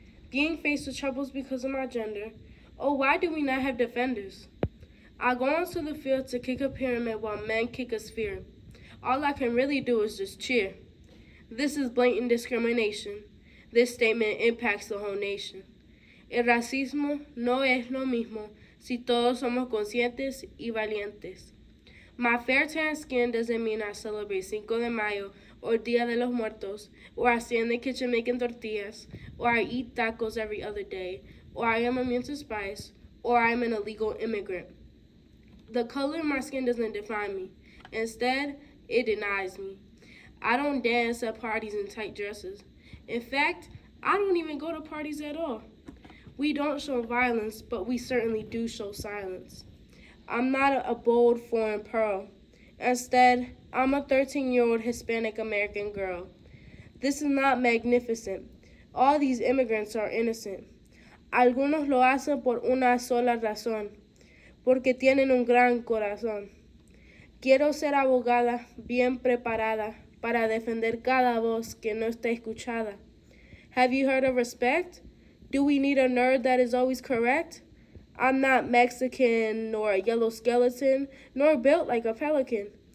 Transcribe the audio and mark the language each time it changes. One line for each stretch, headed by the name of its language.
English: Being faced with troubles because of my gender. Oh, why do we not have defenders? I go onto the field to kick a pyramid while men kick a sphere. All I can really do is just cheer. This is blatant discrimination. This statement impacts the whole nation.
Spanish: El racismo no es lo mismo si todos somos conscientes y valientes.
English: My fair tan skin doesn't mean I celebrate Cinco de Mayo or Dia de los Muertos, or I stay in the kitchen making tortillas, or I eat tacos every other day, or I am immune to spice, or I am an illegal immigrant. The color of my skin doesn't define me. Instead, it denies me. I don't dance at parties in tight dresses. In fact, I don't even go to parties at all. We don't show violence, but we certainly do show silence. I'm not a bold foreign pearl. Instead, I'm a 13-year-old Hispanic American girl. This is not magnificent. All these immigrants are innocent.
Spanish: Algunos lo hacen por una sola razón, porque tienen un gran corazón. Quiero ser abogada bien preparada para defender cada voz que no está escuchada.
English: Have you heard of respect? Do we need a nerd that is always correct? I'm not Mexican, nor a yellow skeleton, nor built like a pelican.